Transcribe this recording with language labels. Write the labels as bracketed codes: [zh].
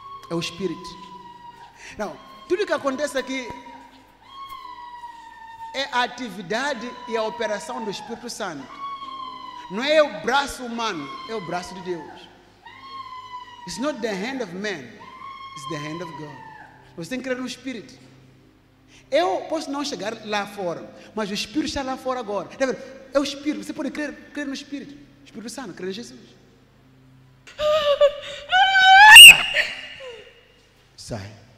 [pt] É o Espírito. Não, tudo que acontece aqui é a atividade e a operação do Espírito Santo. Não é o braço humano, é o braço de Deus. [en] It's not the hand of man, it's the hand of God. [pt] Você tem que crer no Espírito. Eu posso não chegar lá fora, mas o Espírito está lá fora agora. É o Espírito, você pode crer no Espírito. Espírito Santo, crer em Jesus. Sai.